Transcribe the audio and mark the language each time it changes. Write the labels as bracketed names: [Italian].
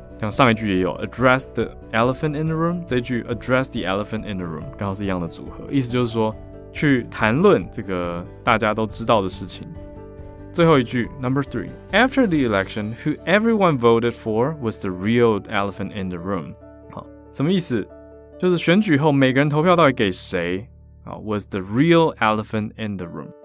[Chinese] 像上一句也有 [English] address the elephant in the room， [Chinese] 这一句 address the elephant in the room 刚好是一样的组合，意思就是说去谈论这个大家都知道的事情。 [English] 最后一句 ，Number three. After the election, who everyone voted for was the real elephant in the room. [Chinese] 好，什么意思？就是选举后每个人投票到底给谁？ [English] 好 ，was the real elephant in the room.